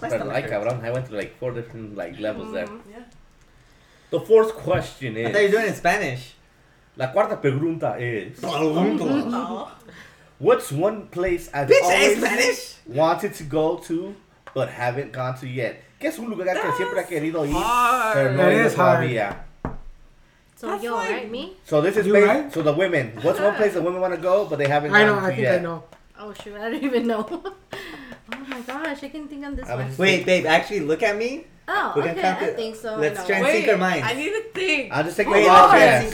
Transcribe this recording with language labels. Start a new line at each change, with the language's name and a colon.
English: I went to like four different like levels there. Yeah. The fourth question is... I thought you were doing it in Spanish.
Spanish: La cuarta pregunta es... Pregunta.
English: What's one place I've always wanted to go to, but haven't gone to yet?
Spanish: ¿Qué es un lugar que siempre ha querido ir, pero no es todavía?
English: So yo, right? Me? So this is you, right? So the women. What's one place the women want to go, but they haven't gone to yet? I know, I think I know. Oh, shoot, I don't even know. Oh my gosh, I can think on this one. Wait, babe, actually look at me. Oh, okay, I think so. Let's no. try and Wait, sink our minds. I need to think. I'll just take a wild guess.